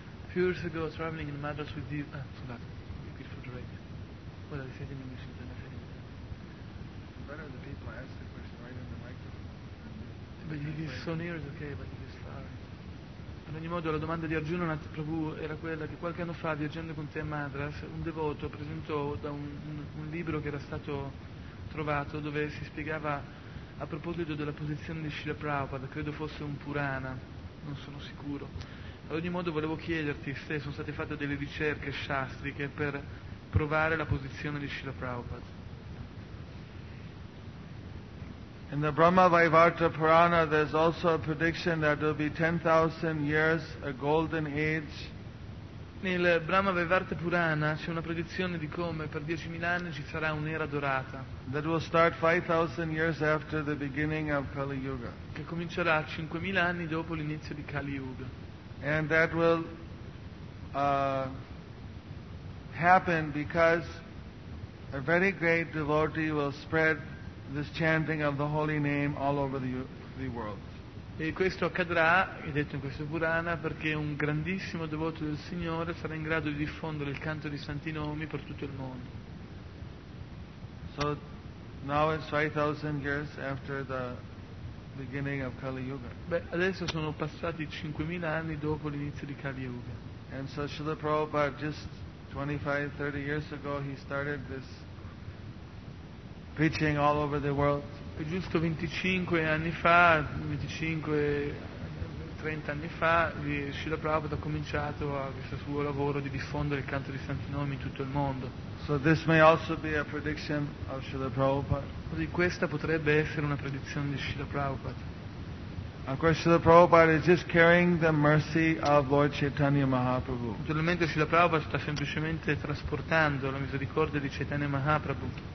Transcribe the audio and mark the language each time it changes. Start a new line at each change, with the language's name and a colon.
English: A few years ago, traveling in Madras with you... Ah, forgot. Repeat for the radio. Well, I said in English, and then I said in English. Better the people ask the question right in the microphone. But if it's so near, it's okay, but if it's far...
Italian: In ogni modo, la domanda di Arjuna Prabhu era quella che qualche anno fa, viaggiando con te a Madras, un devoto presentò da un libro che era stato trovato, dove si spiegava a proposito della posizione di Srila Prabhupada, credo fosse un Purana, non sono sicuro. Ad ogni modo volevo chiederti se sono state fatte delle ricerche shastriche per provare la posizione di Srila Prabhupada.
English: In the Brahma Vaivarta Purana there's also a prediction that there'll be 10,000 years a golden age.
Italian: Nel Brahma Vaivarta Purana c'è una predizione di come per 10.000 anni ci sarà un'era dorata.
English: That will start 5,000 years after the beginning of Kali Yuga.
Italian: Che comincerà 5.000 anni dopo l'inizio di Kali Yuga.
English: And that will happen because a very great devotee will spread this chanting of the holy name all over the world.
Italian: E questo accadrà, è detto in questo Purana, perché un grandissimo devoto del Signore sarà in grado di diffondere il canto di santi nomi per tutto il mondo.
English: So now it's 5,000 years after the beginning of Kali Yuga.
Italian: Beh, adesso sono passati 5.000 anni dopo l'inizio di Kali Yuga.
English: And so Srila Prabhupada just 25-30 years ago he started this preaching all over the world.
Italian: E giusto 25-30 anni fa Srila Prabhupada ha cominciato questo suo lavoro di diffondere il canto di santi nomi in tutto il mondo.
English: So this may also be a prediction of Srila Prabhupada.
Italian: Quindi questa potrebbe essere una predizione di Srila Prabhupada.
English: Of course, Srila Prabhupada is just carrying the mercy of Lord Chaitanya Mahaprabhu.
Italian: Naturalmente Srila Prabhupada sta semplicemente trasportando la misericordia di Chaitanya Mahaprabhu.